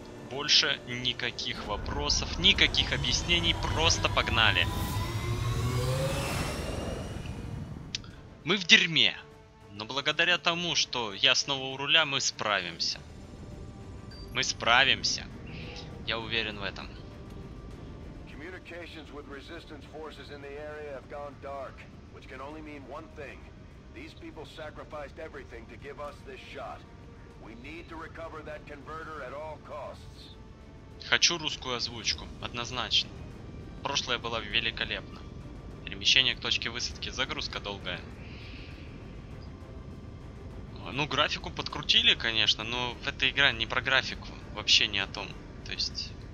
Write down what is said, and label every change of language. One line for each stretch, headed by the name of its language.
Russian: Больше никаких вопросов, никаких объяснений, просто погнали. Мы в дерьме, но благодаря тому, что я снова у руля, мы справимся. Мы справимся. Я уверен в этом.
English: Communications with resistance forces in the area have gone dark, which can only mean one thing. These people sacrificed everything to give us this shot. We need to recover that converter at all costs.
Russian: Хочу русскую озвучку, однозначно. Прошлая была великолепна. Перемещение к точке высадки, загрузка долгая. Ну, графику подкрутили, конечно, но эта игра не про графику, вообще не о том. То есть...